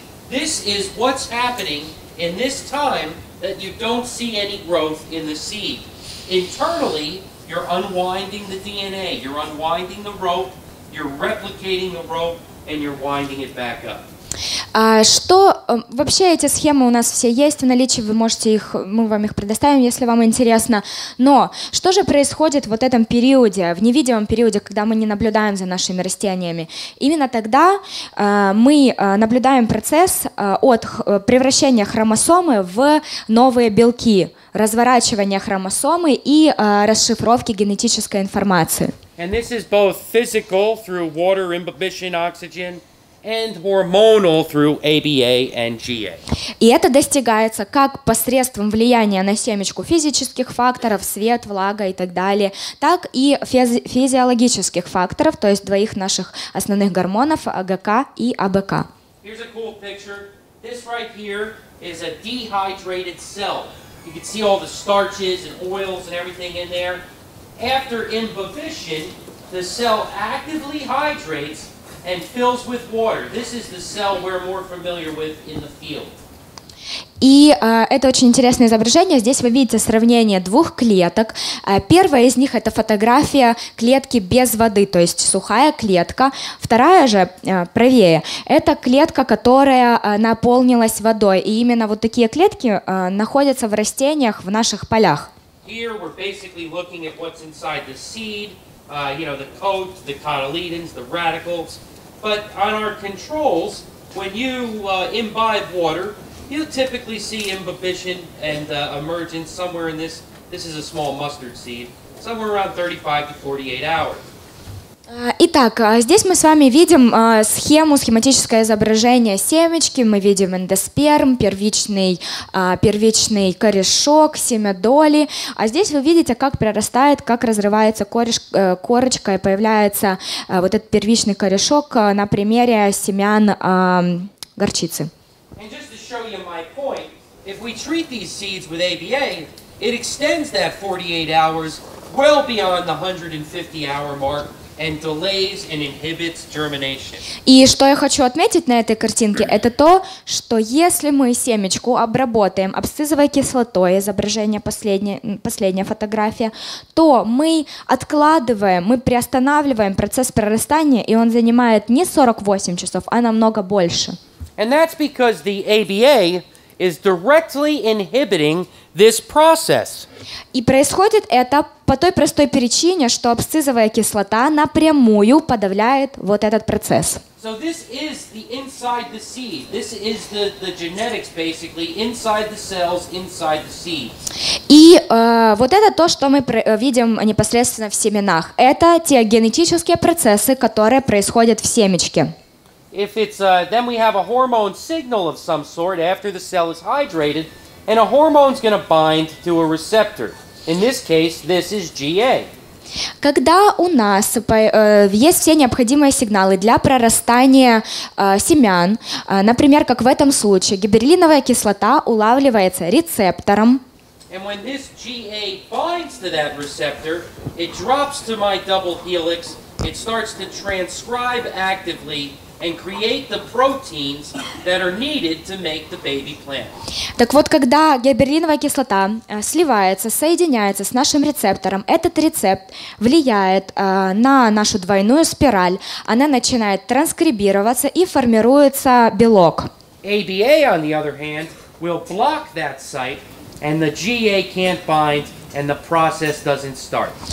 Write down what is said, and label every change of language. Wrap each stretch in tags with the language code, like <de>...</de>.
<en>This is what's happening in this time that you don't see any growth in the seed. Internally, you're unwinding the DNA, you're unwinding the rope, you're replicating the rope, and you're winding it back up.</en> <ru>Что вообще эти схемы у нас все есть в наличии, вы можете их, мы вам их предоставим, если вам интересно. Но что же происходит в вот этом периоде, в невидимом периоде, когда мы не наблюдаем за нашими растениями? Именно тогда мы наблюдаем процесс от превращения хромосомы в новые белки, разворачивания хромосомы и расшифровки генетической информации.</ru> <en>And this is both physical through water, imbibition, oxygen. And hormonal through ABA and GA.</en> <ru>И это достигается как посредством влияния на семечку физических факторов, свет, влага и так далее, так и физиологических факторов, то есть двоих наших основных гормонов АГК и АБК.</ru> <en>Here's a cool picture. This right here is a dehydrated cell. You can see all the starches and oils and everything in there. After imbibition, the cell actively hydrates and fills with water. This is the cell we're more familiar with in the field.</en> <ru>И это очень интересное изображение. Здесь вы видите сравнение двух клеток. Первая из них — это фотография клетки без воды, то есть сухая клетка. Вторая же, правее, это клетка, которая наполнилась водой. И именно вот такие клетки находятся в растениях в наших полях.</ru> <en>Here we're basically looking at what's inside the seed, you know, the coat, the cotyledons, the radicals. But on our controls, when you imbibe water, you'll typically see imbibition and emergence somewhere in this. This is a small mustard seed, somewhere around 35 to 48 hours.</en> <ru>Итак, здесь мы с вами видим схему, схематическое изображение семечки. Мы видим эндосперм, первичный корешок, семядоли. А здесь вы видите, как прорастает, как разрывается корочка и появляется вот этот первичный корешок на примере семян горчицы.</ru> <en>And just to show you my point, if we treat these seeds with ABA, it extends that 48 hours well beyond the 150-hour mark. And delays and inhibits germination.</en> <ru>И что я хочу отметить на этой картинке, это то, что если мы семечку обработаем абсцизовой кислотой, изображение последняя фотография, то мы откладываем, мы приостанавливаем процесс прорастания, и он занимает не 48 часов, а намного больше.</ru> <en>And that's because the ABA is directly inhibiting this process.</en> <ru>И происходит это по той простой причине, что абсцизовая кислота напрямую подавляет вот этот процесс.</ru> <en>So this is the inside the seed. This is the genetics basically inside the cells, inside the seed.</en> <ru>И вот это то, что мы видим непосредственно в семенах. Это те генетические процессы, которые происходят в семечке.</ru> <en>If it's then we have a hormone signal of some sort after the cell is hydrated, and a hormone's going to bind to a receptor. In this case, this is GA.</en> <ru>Когда у нас есть все необходимые сигналы для прорастания семян, например, как в этом случае, гиберлиновая кислота улавливается рецептором.</ru> <en>And when this GA binds to that receptor, it drops to my double helix, it starts to transcribe actively and create the proteins that are needed to make the baby plant.</en> <ru>Так вот, когда гиберлиновая кислота сливается, соединяется с нашим рецептором, этот рецепт влияет на нашу двойную спираль, она начинает транскрибироваться и формируется белок.</ru> <en>ABA, on the other hand, will block that site, and the GA can't bind, and the process doesn't start.</en>